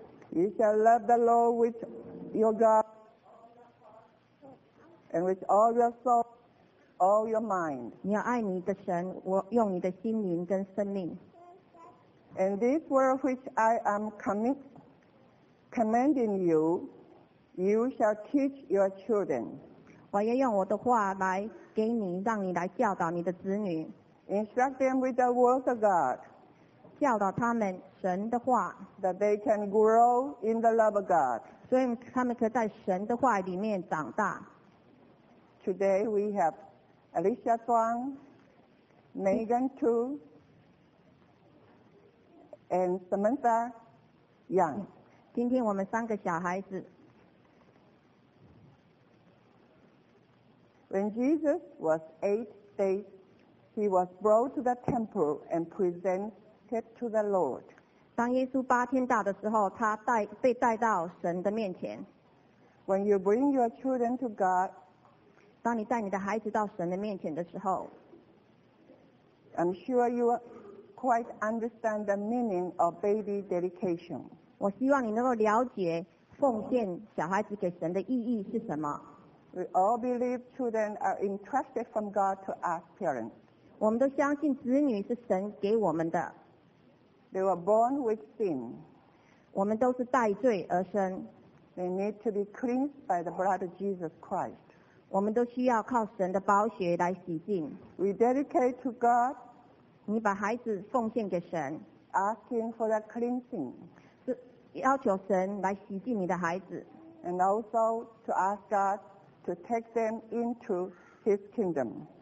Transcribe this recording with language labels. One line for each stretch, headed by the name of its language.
English: You shall love the Lord with your God and with all your soul, all your mind.
Chinese: 你要爱你的神，我用你的心灵跟生命。
English: And this word which I am commanding you, you shall teach your children.
Chinese: 我要用我的话来给你，让你来教导你的子女。
English: Instruct them with the words of God.
Chinese: 教导他们神的话。
English: That they can grow in the love of God.
Chinese: 所以他们可以在神的话里面长大。
English: Today we have Alicia Zhuang, Megan Tu, and Samantha Young.
Chinese: 今天我们三个小孩子。
English: When Jesus was 8 days, he was brought to the temple and presented to the Lord.
Chinese: 当耶稣八天大的时候，他被带到神的面前。
English: When you bring your children to God,
Chinese: 当你带你的孩子到神的面前的时候，
English: I'm sure you quite understand the meaning of baby dedication.
Chinese: 我希望你能够了解奉献小孩子给神的意义是什么。
English: We all believe children are entrusted from God to us parents.
Chinese: 我们都相信子女是神给我们的。
English: They were born with sin.
Chinese: 我们都是带罪而生。
English: They need to be cleansed by the blood of Jesus Christ.
Chinese: 我们都需要靠神的宝血来洗净。
English: We dedicate to God.
Chinese: 你把孩子奉献给神。
English: Asking for that cleansing.
Chinese: 要求神来洗净你的孩子。
English: And also to ask God. To take them into His kingdom.